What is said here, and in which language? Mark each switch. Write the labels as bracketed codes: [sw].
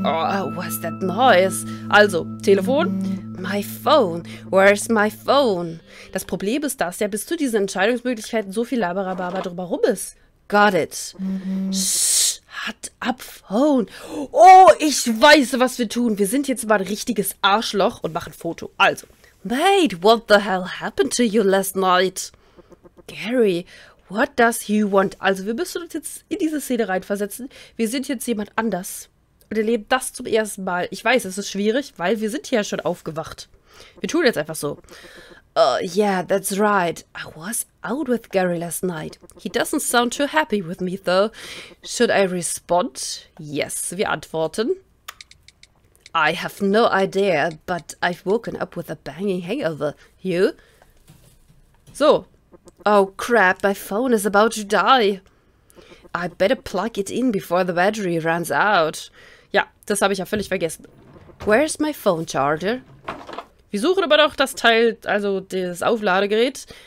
[en] Oh, what's that noise? [de] Also, Telefon. [en] My phone. Where's my phone? [de] Das Problem ist, dass ja bis zu diesen Entscheidungsmöglichkeiten so viel Laberababa drüber rum ist. [en] Got it. Shut up, phone. Oh, [de] ich weiß, was wir tun. Wir sind jetzt mal ein richtiges Arschloch und machen Foto. Also. [en] Mate, what the hell happened to you last night? Gary, what does he want? [de] Also, wir müssen uns jetzt in diese Szene reinversetzen. Wir sind jetzt jemand anders und erleben das zum ersten Mal. Ich weiß, es ist schwierig, weil wir sind hier schon aufgewacht. Wir tun jetzt einfach so. [en] Yeah, that's right. I was out with Gary last night. He doesn't sound too happy with me, though. Should I respond? Yes, [de] wir antworten. [en] I have no idea, but I've woken up with a banging hangover. You? So. Oh crap, my phone is about to die. I better plug it in before the battery runs out. [de] Ja, das habe ich ja völlig vergessen. [en] Where's my phone charger? [de] Wir suchen aber doch das Teil, also das Aufladegerät.